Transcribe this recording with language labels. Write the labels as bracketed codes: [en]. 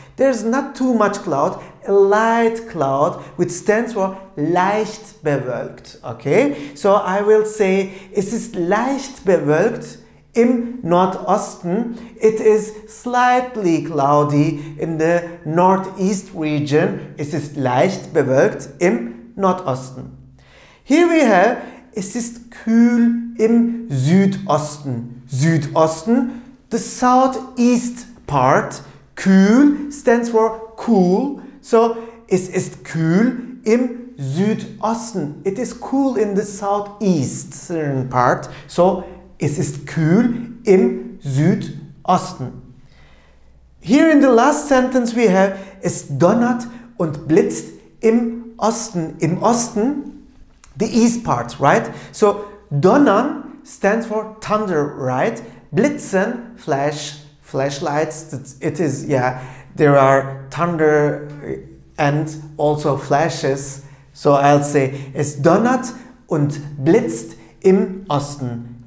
[en] There's not too much cloud, a light cloud, which stands for [de] leicht bewölkt, [en] okay? So I will say, [de] es ist leicht bewölkt im Nordosten. [en] It is slightly cloudy in the Northeast region. [de] Es ist leicht bewölkt im Nordosten. [en] Here we have, [de] es ist kühl im Südosten. [en] Südosten, the Southeast part. [de] Kühl [en] stands for cool. So, [de] es ist kühl im Südosten. [en] It is cool in the southeastern part. [de] So, es ist kühl im Südosten. [en] Here in the last sentence we have, [de] es donnert und blitzt im Osten. Im Osten, [en] the east part, right? So, donnern stands for thunder, right? Blitzen, flash. Flashlights, it is, yeah, there are thunder and also flashes. So I'll say, [de] es donnert und blitzt im Osten.